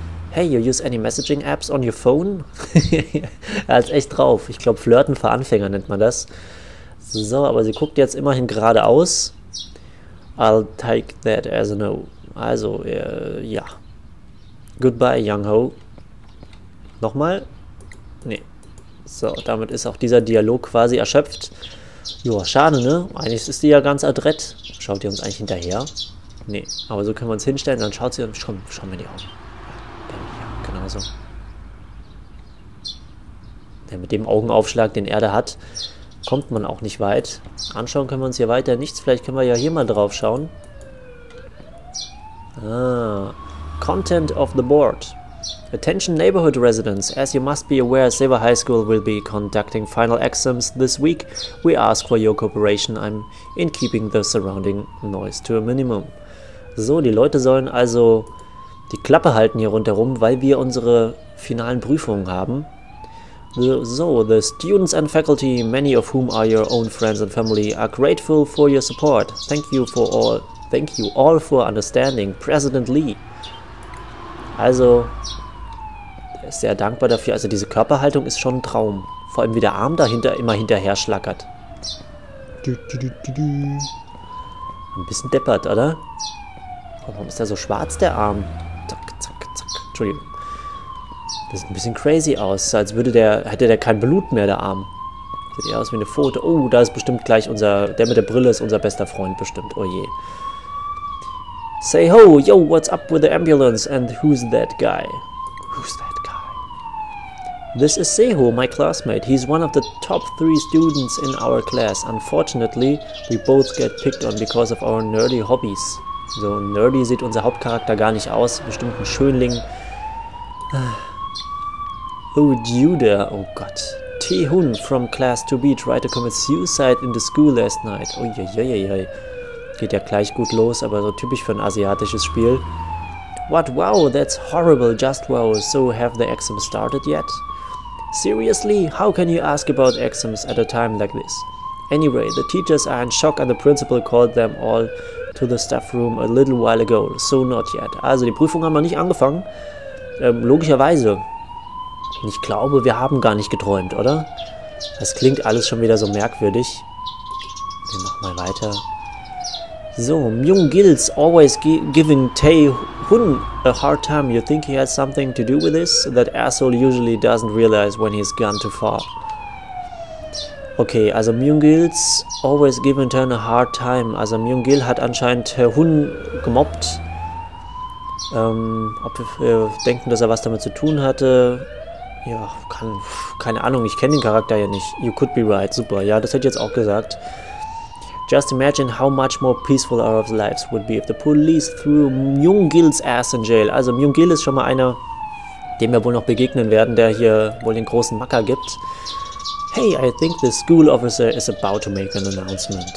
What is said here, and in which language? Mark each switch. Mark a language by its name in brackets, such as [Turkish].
[English] Hey, you use any messaging apps on your phone? [German] Er ist echt drauf. Ich glaube, Flirten für Anfänger nennt man das. So, aber sie guckt jetzt immerhin geradeaus. [English] I'll take that as a no. [German] Also, ja. Goodbye, Young Ho. Nochmal? Nee. So, damit ist auch dieser Dialog quasi erschöpft. Joa, schade, ne? Eigentlich ist die ja ganz adrett. Schaut ihr uns eigentlich hinterher? Nee. Aber so können wir uns hinstellen, dann schaut sie uns schon in die Augen. Ja, genauso. Denn mit dem Augenaufschlag, den er da hat, kommt man auch nicht weit. Anschauen können wir uns hier weiter nichts. Vielleicht können wir ja hier mal drauf schauen. [English] Ah. Content of the board. Attention neighborhood residents. As you must be aware, Silver High School will be conducting final exams this week. We ask for your cooperation. I'm in keeping the surrounding noise to a minimum. [German] So, die Leute sollen also die Klappe halten hier rundherum, weil wir unsere finalen Prüfungen haben. [English] So, the students and faculty, many of whom are your own friends and family, are grateful for your support. Thank you all for understanding. President Lee. [German] Also, er ist sehr dankbar dafür. Also diese Körperhaltung ist schon ein Traum. Vor allem, wie der Arm dahinter immer hinterher schlackert. Ein bisschen deppert, oder? Warum ist der so schwarz, der Arm? Zack, zack, zack. Entschuldigung. Das sieht ein bisschen crazy aus. Als würde der, hätte der kein Blut mehr, der Arm. Sieht eher aus wie eine Pfote. Oh, da ist bestimmt gleich unser, der mit der Brille ist unser bester Freund bestimmt. Oh je. [English] Say ho, yo, what's up with the ambulance and who's that guy? Who's that guy? This is Seho, my classmate. He's one of the top three students in our class. Unfortunately, we both get picked on because of our nerdy hobbies. [German] So nerdy sieht unser Hauptcharakter gar nicht aus. Bestimmt ein Schönling. Oh, Judah, oh Gott. [English] Taehoon from Class 2B tried to commit suicide in the school last night. Oh, yeah. [German] Geht ja gleich gut los, aber so typisch für ein asiatisches Spiel. [English] What? Wow, that's horrible. Just wow. So have the exam started yet? Seriously? How can you ask about exams at a time like this? Anyway, the teachers are in shock and the principal called them all to the staff room a little while ago. So not yet. [German] Also, die Prüfung haben wir nicht angefangen. Logischerweise. Ich glaube, wir haben gar nicht geträumt, oder? Das klingt alles schon wieder so merkwürdig. Wir machen mal weiter. [English] So, Myung Gil's always giving Taehoon a hard time. You think he has something to do with this? That asshole usually doesn't realize when he's gone too far. Okay, also Myung Gil's always giving Taehoon a hard time. [German] Also Myung Gil hat anscheinend Taehoon gemobbt. Ob wir denken, dass er was damit zu tun hatte. Ja, keine Ahnung, ich kenne den Charakter ja nicht. [English] You could be right. [German] Super, ja, das hätte ich jetzt auch gesagt. [English] Just imagine how much more peaceful our lives would be if the police threw Myung Gil's ass in jail. [German] Also Myung Gil ist schon mal einer, dem wir wohl noch begegnen werden, der hier wohl den großen Macker gibt. [English] Hey, I think the school officer is about to make an announcement.